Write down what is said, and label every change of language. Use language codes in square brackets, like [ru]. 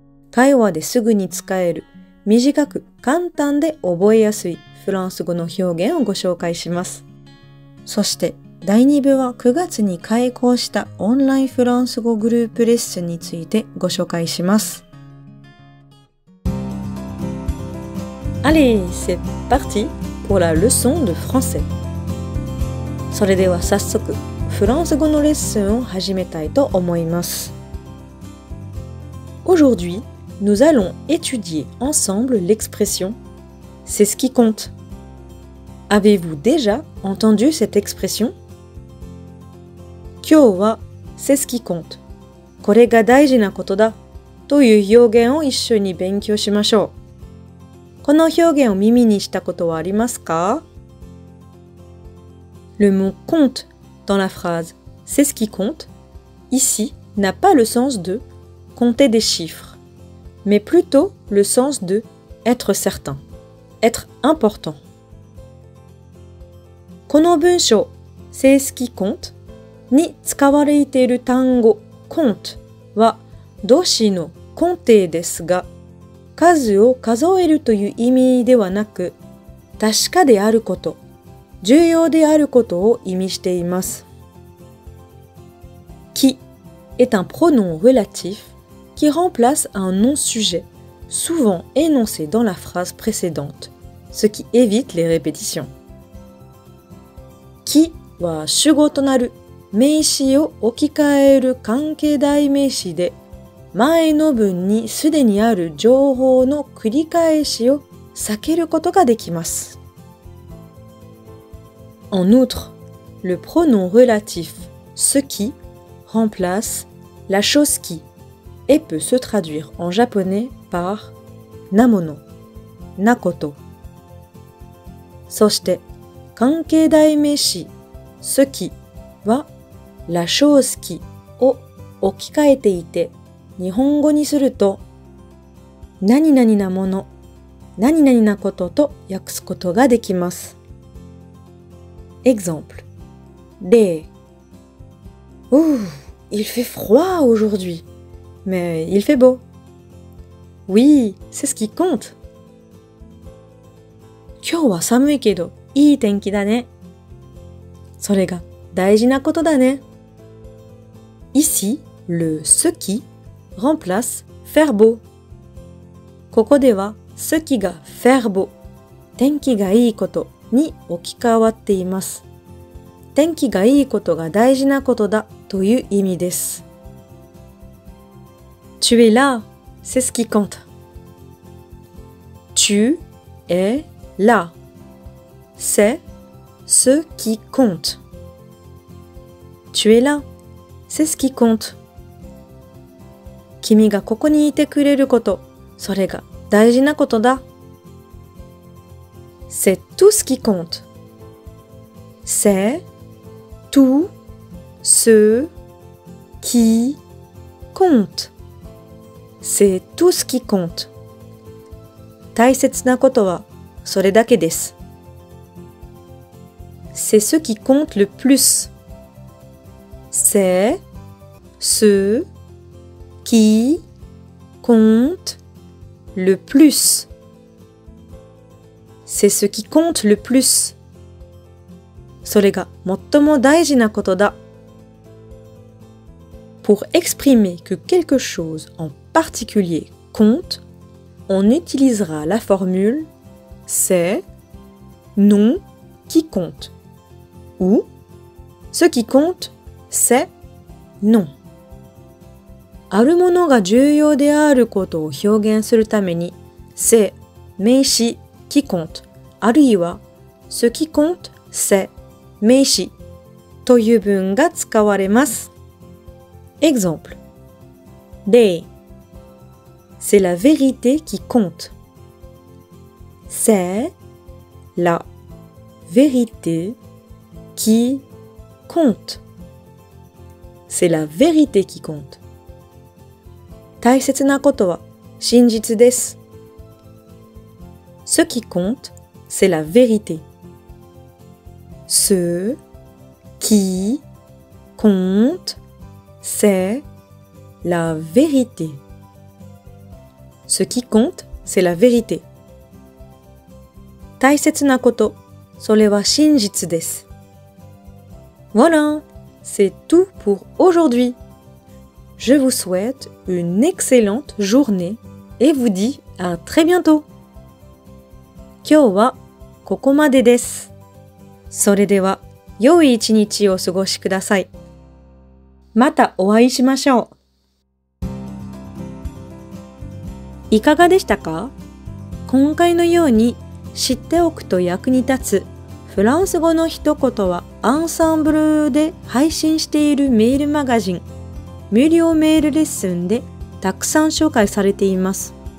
[ja] 会話ですぐに使える、短く簡単で覚えやすいフランス語の表現をご紹介します。そして、第2部は9月に開講したオンラインフランス語グループレッスンについてご紹介します。 [fr] Allez, c'est parti pour la leçon de français. [ja] それでは早速、フランス語のレッスンを始めたいと思います。 [fr] Aujourd'hui, nous allons étudier ensemble l'expression « c'est ce qui compte ». Avez-vous déjà entendu cette expression? [ja] 今日は [fr] 「c'est ce qui compte」 [ja] 「これが大事なことだ」という表現を一緒に勉強しましょう。この表現を耳にしたことはありますか? [fr] Le mot « compte」Dans la phrase « c'est ce qui compte », ici n'a pas le sens de « compter des chiffres », mais plutôt le sens de « être certain », « être important ». [ja] この文章 [fr] 「c'est ce qui compte」 [ja] に使われている単語「compte」は動詞の「compter」ですが、数を数えるという意味ではなく、確かであること。重要であることを意味しています。 [fr] qui est un pronom relatif qui remplace un nom sujet souvent énoncé dans la phrase précédente, ce qui évite les répétitions. [ja] きは主語となる名詞を置き換える関係代名詞で、前の文にすでにある情報の繰り返しを避けることができます。 [fr] En outre, le pronom relatif ce qui remplace la chose qui et peut se traduire en japonais par [ja] namono, nakoto. そして、関係代名詞ce qui は [fr] la chose qui [ja] を置き換えていて、日本語にすると何々なもの、何々なことと訳すことができます。 [fr] Exemple. De. Ouh, il fait froid aujourd'hui. Mais il fait beau. Oui, c'est ce qui compte. [ja] 今日は寒いけど、いい天気だね。それが大事なことだね。 [fr] Ici, le ce qui remplace faire beau. [ja] ここでは、ce qui が [fr] faire beau、 [ja] 天気がいいことに置き換わっています。天気がいいことが大事なことだという意味です。 [fr] Tu es là, c'est ce qui compte. Tu es là, c'est ce qui compte. Tu es là, c'est ce qui compte. [ja] 君がここにいてくれること、それが大事なことだ。 [fr] C'est tout ce qui compte. C'est tout ce qui compte. C'est tout ce qui compte. [ja] 大切なことはそれだけです。 [fr] C'est ce qui compte le plus. C'est ce qui compte le plus. C'est ce qui compte le plus. [ja] それが最も大事なことだ。 [fr] Pour exprimer que quelque chose en particulier compte, on utilisera la formule c'est non qui compte ou ce qui compte c'est non. [ja] あるものが重要であることを表現するために c'est 名詞 qui compte あるいは [fr] ce qui compte c'est [ja] 名詞という文が使われます。 [fr] Exemple. De. C'est la vérité qui compte. C'est la vérité qui compte. C'est la vérité qui compte. [ja] 大切なことは真実です。 [fr] Ce qui compte, c'est la vérité. Ce qui compte, c'est la vérité. Ce qui compte, c'est la vérité. [ja] 大切なこと、それは真実です。 [fr] Voilà, c'est tout pour aujourd'hui. Je vous souhaite une excellente journée et vous dis à très bientôt. [ja] 今日はここまでです。それでは、良い一日をお過ごしください。またお会いしましょう。いかがでしたか？今回のように知っておくと役に立つフランス語の一言はアンサンブルで配信しているメールマガジン無料メールレッスンでたくさん紹介されています。